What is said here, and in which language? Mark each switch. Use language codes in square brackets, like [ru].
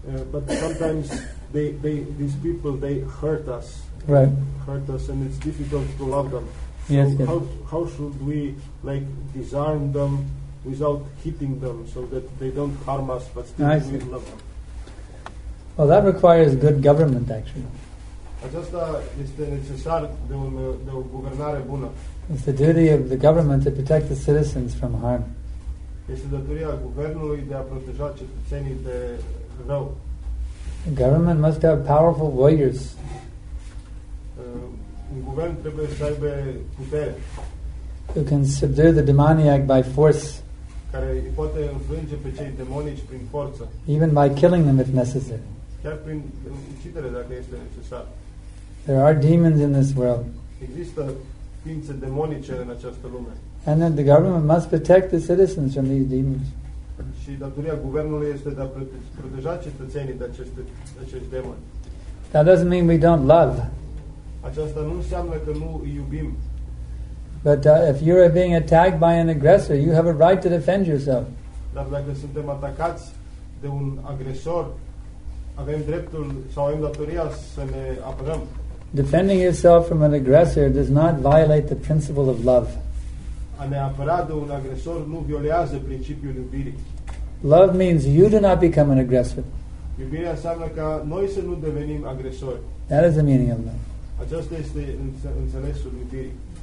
[en] But sometimes they these people they hurt us. Right. Hurt us, and it's difficult to love them. So yes, yes. How should we like disarm them without hitting them so that they don't harm us, but still we love them? Well, that requires good government, actually. [ro] Aceasta este necesar de de o guvernare bună. [en] It's the duty of the government to protect the citizens from harm. [ro] Este datoria guvernului de a proteja cetățenii de rău. [en] The government must have powerful lawyers. [ro] Un guvern trebuie să aibă putere. [en] Who can subdue the demoniac by force. [ro] Care îi poate înfrânge pe cei demonici prin forță. [en] Even by killing them if necessary. [ro] Chiar prin ucidere dacă este necesar. [en] There are demons in this world. [ro] Există ființe demonice în această lume. [en] And then the government must protect the citizens from these demons. [ro] Și datoria guvernului este de a proteja cetățenii de acești demoni. [en] That doesn't mean we don't love. [ro] Aceasta nu înseamnă că nu îi iubim. [en] But if you are being attacked by an aggressor, you have a right to defend yourself. [ro] Dar dacă suntem atacați de un agresor, avem dreptul sau avem datoria să ne apărăm. [en] Defending yourself from an aggressor does not violate the principle of love. [ro] A ne apăra de un agresor nu violează principiul iubirii. [en] Love means you do not become an aggressor. [ro] Iubirea înseamnă ca noi să nu devenim agresori. [en] That is the meaning of love. [ro] Aceasta este înțelesul iubirii.